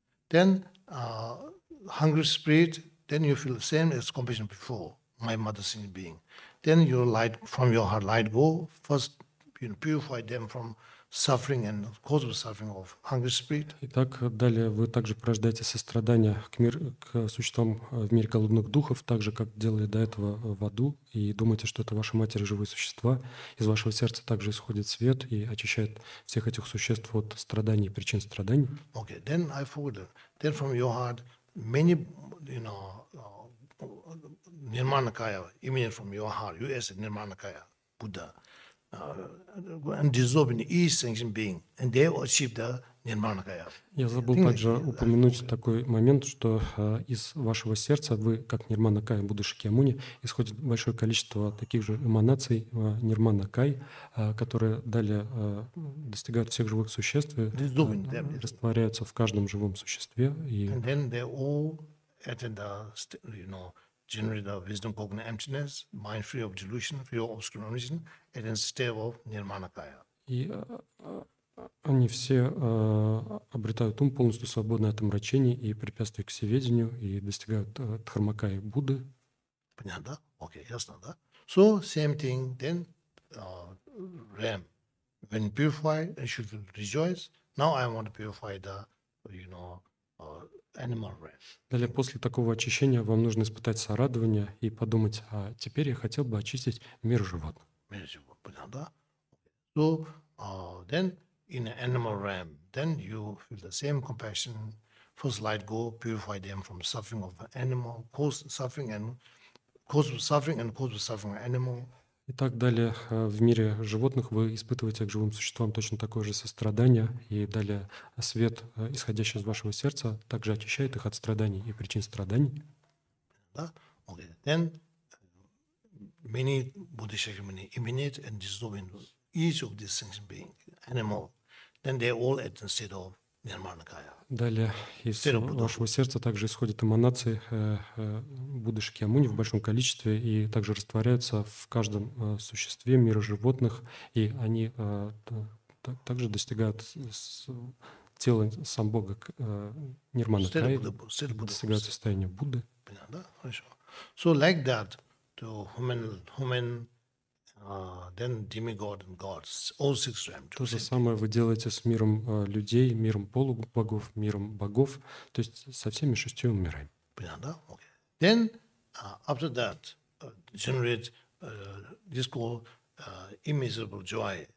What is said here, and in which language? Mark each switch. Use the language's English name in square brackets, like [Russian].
[English] Then, hungry spirit, then you feel the same as compassion before, my mother sin being. Then your light, from your heart, light go, first you know, purify them from suffering and cause of suffering of hungry spirit. [Russian] Итак, далее вы также порождаете сострадание к, мир, к существам в мире голодных духов, так же, как делали до этого в аду, и думаете, что это ваши матери живые существа. Из вашего сердца также исходит свет и очищает всех этих существ от страданий, причин страданий. [English] Okay, then I forgot. Then from your heart, many, you know, Nirmanakaya, emanate from your heart, you as Nirmanakaya, Buddha. And dissolving each sentient being, and they achieve the nirmanakaya. [Russian] Я забыл также упомянуть такой момент, что из вашего сердца вы, как нирманакая Будда Шакьямуни, исходит большое количество таких же эманаций нирманакай, которые далее достигают всех живых существ, растворяются в каждом живом существе. И... [English] And then they all attend the, you know, generate the wisdom cognitive emptiness, mind free of delusion, free of obscure origin, and in state of nirmanakaya. [Russian] И они все обретают ум полностью свободный от омрачений и препятствий к всеведению и достигают дхармакаи Будды. Понятно, да? Окей, ясно, да? [English] So, same thing, then, realm. When purified, I should rejoice. Now I want to purify the, you know, [Russian] далее, после такого очищения вам нужно испытать сорадование и подумать, а теперь я хотел бы очистить мир животных. Мир животных, понятно, да? [English] So, then, in the animal realm, then you feel the same compassion, first light go, purify them from suffering of the animal, cause of suffering and cause of suffering animal. [Russian] И так далее, в мире животных вы испытываете к живым существам точно такое же сострадание, и далее свет, исходящий из вашего сердца, также очищает их от страданий и причин страданий. Да? Okay. [English] Then many Buddha Shakyamuni emanate and dissolve in each of these things being animal. Then they all at the state of Nirmanakaya. [Russian] Далее из вашего сердца также исходят эманации Будды Шакьямуни в большом количестве и также растворяются в каждом существе мира животных, и они также достигают тела сам Бога Нирманакаи, достигают состояния Будды. Понятно, да? Хорошо. [English] So like that, to human then demigod and gods, all six realms. [Russian] То же самое вы делаете с миром людей, миром полубогов, миром богов, то есть со всеми шестью мирами. Понятно, да? Okay. [English] Then, after that, generate this called immeasurable joy.